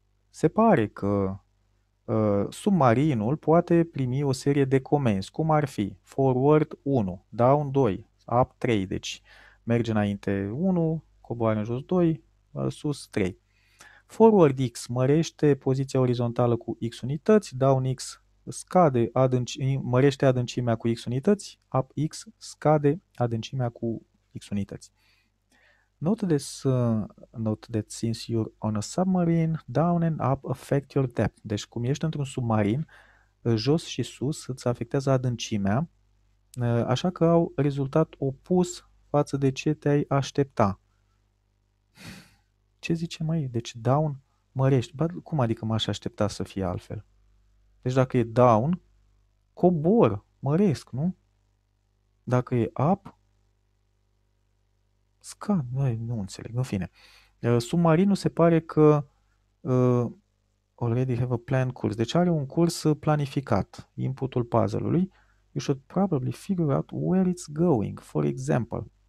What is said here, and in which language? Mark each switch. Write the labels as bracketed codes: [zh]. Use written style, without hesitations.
[ro] Se pare că submarinul poate primi o serie de comenzi, cum ar fi forward 1, down 2, up 3, deci merge înainte 1, coboară în jos 2, sus 3. Forward X mărește poziția orizontală cu X unități, down X scade mărește adâncimea cu X unități, up X scade adâncimea cu X unități. [en] Note that since you're on a submarine, down and up affect your depth. [ro] Deci cum ești într-un submarin, jos și sus îți afectează adâncimea, așa că au rezultat opus față de ce te-ai aștepta. Ce zice mai? Deci down mărești. Ba, cum adică m-aș aștepta să fie altfel? Deci dacă e down, cobor, măresc, nu? Dacă e up, scad. Noi nu înțeleg, în fine. Submarinul se pare că [en] already have a plan [ro] curs. Deci are un curs planificat, inputul puzzle-ului. [en] You should probably figure out where it's going, for example.